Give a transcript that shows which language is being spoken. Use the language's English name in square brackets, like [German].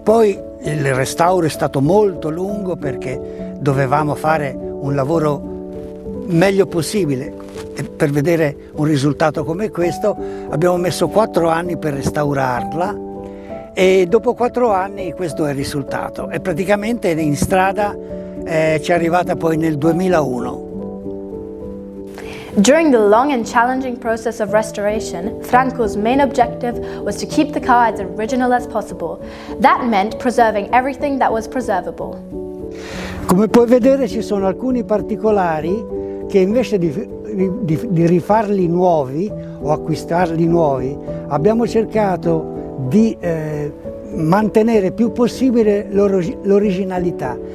[Italian] Poi il restauro è stato molto lungo perché dovevamo fare un lavoro meglio possibile. E per vedere un risultato come questo abbiamo messo 4 anni per restaurarla e dopo 4 anni questo è il risultato. E praticamente in strada ci è arrivata poi nel 2001. [English] During the long and challenging process of restoration, Franco's main objective was to keep the car as original as possible. That meant preserving everything that was preservable. [Italian] Come puoi vedere ci sono alcuni particolari che invece di rifarli nuovi o acquistarli nuovi, abbiamo cercato di mantenere più possibile l'originalità.